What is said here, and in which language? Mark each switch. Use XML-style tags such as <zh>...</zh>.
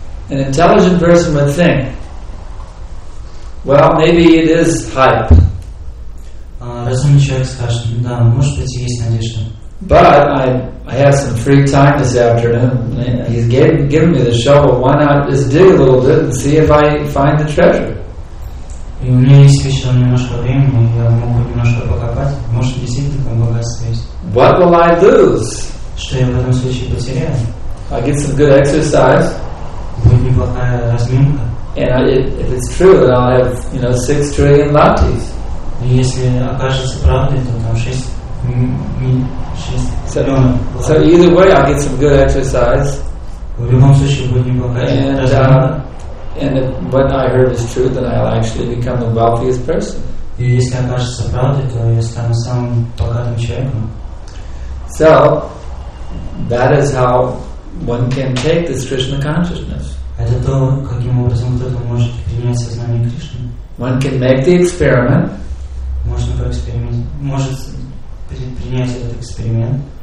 <en>An intelligent person would think, well, maybe it is hype.</en> <ru>Разумный человек скажет, да, может быть, есть надежда.</ru> <en>But I have some free time this afternoon. He's given me the shovel. Why not just dig a little bit and see if I find the treasure?</en> <ru>И у меня есть еще немножко времени, я могу немножко покопать. Может, действительно, там богатство есть.</ru> <en>What will I lose?</en> <ru>Что я в этом случае потеряю?</ru> <en>I get some good exercise.</en> <ru>Будет неплохая разминка.</ru> <en>And if it's true, then I'll have, you know, 6 trillion latis.</en> <ru>И если окажется правдой, то там 6 триллионов.</ru> <en>So either way, I'll get some good exercise.</en> <ru>В любом случае, будет неплохая разминка.</ru> <en>And if what I heard is true, then I'll actually become the wealthiest person.</en> <ru>И если окажется правдой, то я стану самым богатым человеком.</ru> <en>So that is how one can take this Krishna consciousness.</en> <ru>Это то, каким образом кто-то может принять сознание Кришны.</ru> <en>One can make the experiment.</en> <ru>Можно поэкспериментировать. Может принять этот эксперимент.</ru>